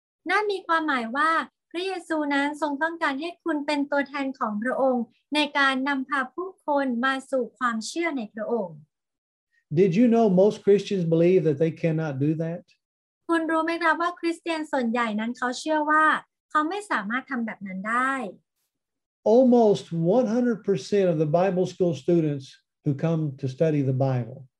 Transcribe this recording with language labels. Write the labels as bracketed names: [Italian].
[Thai] นั่นมีความหมายว่าพระเยซูนั้นทรงต้องการให้คุณเป็นตัวแทนของพระองค์ในการนำพาผู้คนมาสู่ความเชื่อในพระองค์ [English] Did you know most Christians believe that they cannot do that? [Thai] คุณรู้ไหมครับว่าคริสเตียนส่วนใหญ่นั้นเขาเชื่อว่าเขาไม่สามารถทำแบบนั้นได้ [English] Almost 100% of the Bible school students who come to study the Bible